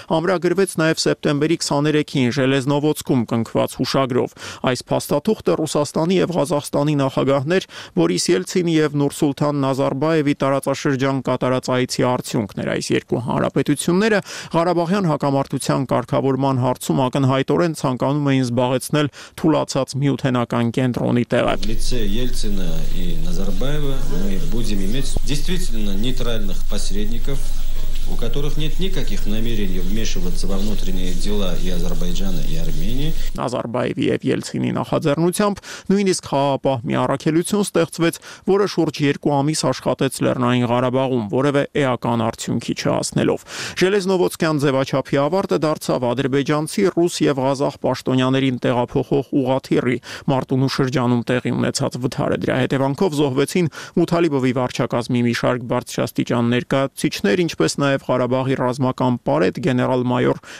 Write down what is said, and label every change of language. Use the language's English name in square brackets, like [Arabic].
[Armenian] ամրագրվեց նաև սեպտեմբերի 23-ին Ժելեզնովոցկում կնքված հուշագրով։ Այս փաստաթուղթը Ռուսաստանի և Ղազախստանի նախագահներ Բորիս Ելցինի և Նուրսուլթան Նազարբաևի տարածաշրջան կատարած այցի արդյունքն էր։ Այս երկու հանրապետությունները Ղարաբաղյան հակամարտության կարգավորման հարցում ակնհայտորեն ցանկանում էին զբաղեցնել թուլացած միութենական կենտրոնի տեղը։ Լիցե Ելցինա ի Նազարբաևա մենք [Russian] будем иметь действительно нейтральных посредников, у которых нет никаких намерений вмешиваться во внутренние дела и Азербайджана, и Армении. [Armenian] Նազարբաևի և Ելցինի նախաձեռնությամբ նույնիսկ խաղապահ մի առաքելություն ստեղծվեց, որը շուրջ երկու ամիս աշխատեց Լեռնային Ղարաբաղում, որևէ էական արդյունքի չհասնելով։ Ժելեզնովոցկյան ձևաչափի ավարտը դարձավ ադրբեջանցի, ռուս և ղազախ պաշտոնյաներին տեղափոխող ուղաթիռի Մարտունու շրջանում տեղի ունեցած վթարը։ Դրա հետևանքով զոհվեցին Մութալիբովի վարչակազմի մի շարք բարձրաստիճան ներկայացիչներ, ինչպես նաև Ղարաբաղի ռազմական պարետ գեներալ-մայոր